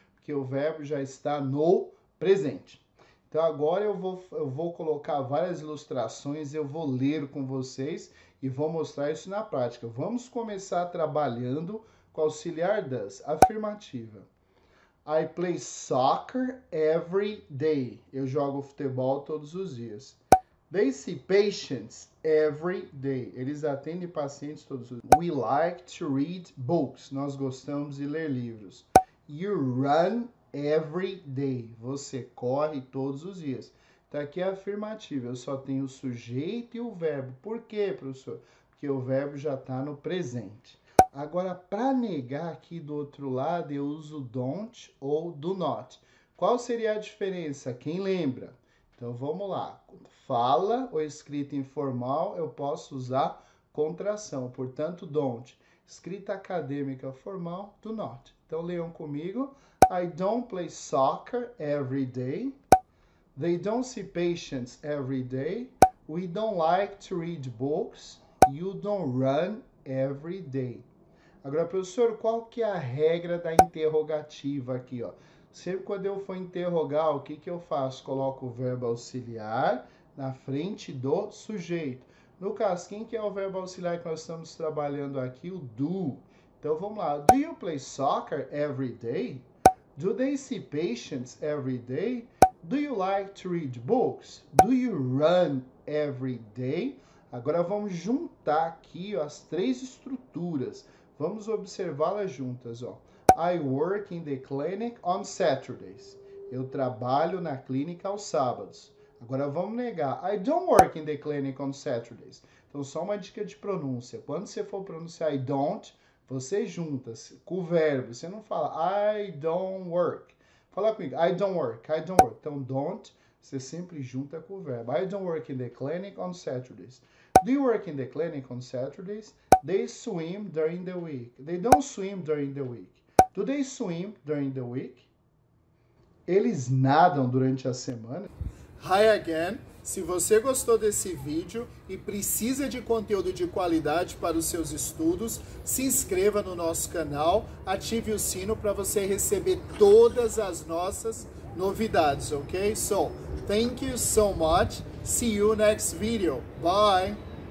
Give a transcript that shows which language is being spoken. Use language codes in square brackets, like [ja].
[pt] Porque o verbo já está no presente. Então, agora eu vou colocar várias ilustrações, eu vou ler com vocês e vou mostrar isso na prática. Vamos começar trabalhando com auxiliar does. Afirmativa. [en] I play soccer every day. [pt] Eu jogo futebol todos os dias. [en] They see patients every day. [pt] Eles atendem pacientes todos os dias. [en] We like to read books. [pt] Nós gostamos de ler livros. [en] You run every day. [pt] Você corre todos os dias. Tá aqui a afirmativa. Eu só tenho o sujeito e o verbo. Por quê, professor? Porque o verbo já está no presente. Agora, para negar aqui do outro lado, eu uso don't ou do not. Qual seria a diferença? Quem lembra? Então, vamos lá. Fala ou escrita informal, eu posso usar contração. Portanto, don't. Escrita acadêmica formal, do not. Então, leiam comigo. [en] I don't play soccer every day. They don't see patients every day. We don't like to read books. You don't run every day. [pt] Agora, professor, qual que é a regra da interrogativa aqui, ó? Sempre quando eu for interrogar, o que, que eu faço? Coloco o verbo auxiliar na frente do sujeito. No caso, quem que é o verbo auxiliar que nós estamos trabalhando aqui? O do. Então, vamos lá. [en] Do you play soccer every day? Do they see patients every day? Do you like to read books? Do you run every day? [pt] Agora, vamos juntar aqui, ó, as três estruturas. Vamos observá-las juntas, ó. [en] I work in the clinic on Saturdays. [pt] Eu trabalho na clínica aos sábados. Agora vamos negar. [en] I don't work in the clinic on Saturdays. [pt] Então, só uma dica de pronúncia. Quando você for pronunciar [en] I don't, [pt] você junta com o verbo. Você não fala [en] I don't work. [pt] Fala comigo. [en] I don't work. I don't work. Então, don't, [pt] você sempre junta com o verbo. [en] I don't work in the clinic on Saturdays. Do you work in the clinic on Saturdays? They swim during the week. They don't swim during the week. Do they swim during the week? [pt] Eles nadam durante a semana? [en] Hi again. [pt] Se você gostou desse vídeo e precisa de conteúdo de qualidade para os seus estudos, se inscreva no nosso canal, ative o sino para você receber todas as nossas novidades, ok? [en] So, thank you so much. See you next video. Bye!